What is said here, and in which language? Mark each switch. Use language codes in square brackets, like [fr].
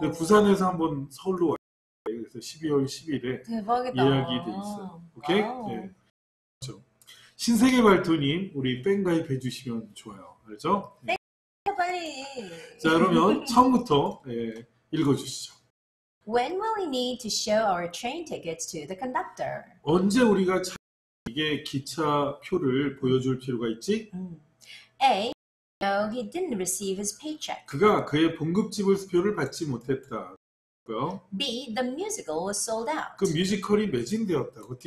[ko] 부산에서 한번 서울로 와 그래서 12월 10일에 대박이다. 예약이 돼 있어요. 오케이? 네. 그렇죠. 신세계 발토님 우리 팬 가입해 주시면 좋아요. 알죠? 네. 빨리. 자, 그러면 처음부터 네, 읽어주시죠. [en] When will we need to show our train tickets to the conductor? [ko] 언제 우리가 이게 기차표를 보여줄 필요가 있지? [en] A. No, he didn't receive his paycheck. [ko] 그가 그의 봉급 지불수표를 받지 못했다. [en] B. The musical was sold out. [ko] 그 뮤지컬이 매진되었다.